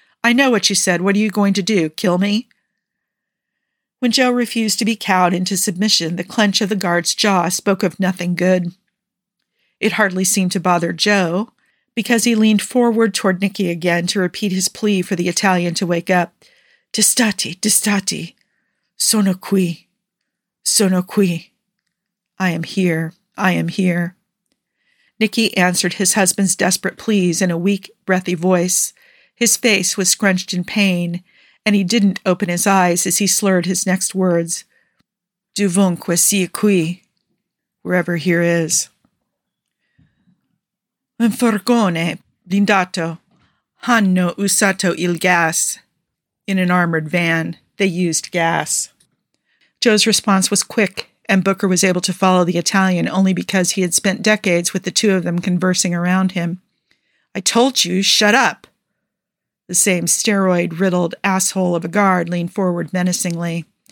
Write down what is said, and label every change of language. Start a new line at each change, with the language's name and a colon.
English: I know what you said. What are you going to do, kill me? When Joe refused to be cowed into submission, the clench of the guard's jaw spoke of nothing good. It hardly seemed to bother Joe, because he leaned forward toward Nikki again to repeat his plea for the Italian to wake up.
Italian: Destati, destati, sono qui, sono qui.
English: I am here, I am here. Nikki answered his husband's desperate pleas in a weak, breathy voice. His face was scrunched in pain, and he didn't open his eyes as he slurred his next words.
Italian: Dovunque sia qui,
English: wherever here is.
Italian: Un furgone blindato hanno usato il gas.
English: In an armored van, they used gas. Joe's response was quick, and Booker was able to follow the Italian only because he had spent decades with the two of them conversing around him. I told you, shut up! The same steroid-riddled asshole of a guard leaned forward menacingly.